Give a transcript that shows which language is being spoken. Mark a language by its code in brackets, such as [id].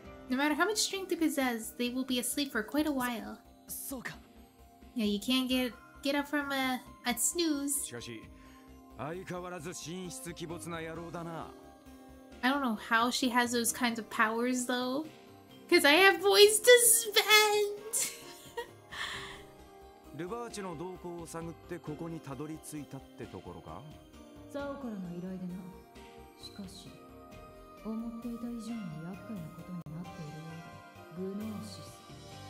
[en] No matter how much strength they possess, they will be asleep for quite a while. [ja] そうか。 [en] Yeah, you can't get up from a snooze. [ja] しかし相変わらず神出鬼没な野郎だな。 [en] I don't know how she has those kinds of powers though. Cause I have voice to spend! [ja] ルバーチェの動向を探ってここにたどり着いたってところか？ザオからの依頼でな。しかし、思っていた以上に厄介なことになっているようだ。グノーシス。